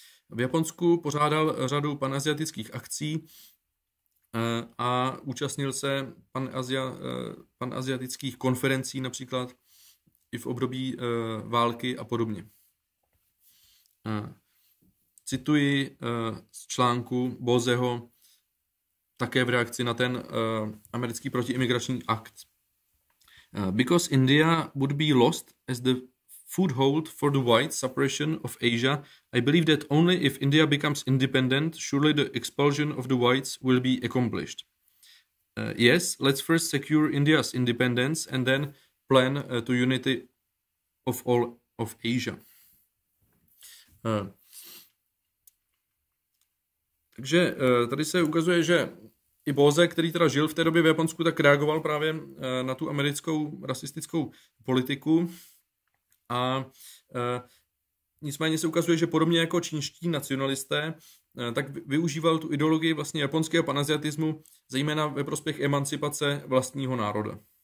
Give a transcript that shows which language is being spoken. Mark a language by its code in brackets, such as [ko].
[cs] V Japonsku pořádal řadu panaziatických akcí a účastnil se panaziatických konferencí například i v období války a podobně. Cituji z článku Bozeho také v reakci na ten americký protiimigrační akt. [en] Because India would be lost as the foothold for the white suppression of Asia, I believe that only if India becomes independent, surely the expulsion of the whites will be accomplished. Yes, let's first secure India's independence and then plan to unity of all of Asia. [cs] Takže tady se ukazuje, že i Bose, který teda žil v té době v Japonsku, tak reagoval právě na tu americkou rasistickou politiku. A nicméně se ukazuje, že podobně jako čínští nacionalisté, tak využíval tu ideologii vlastně japonského panaziatismu, zejména ve prospěch emancipace vlastního národa.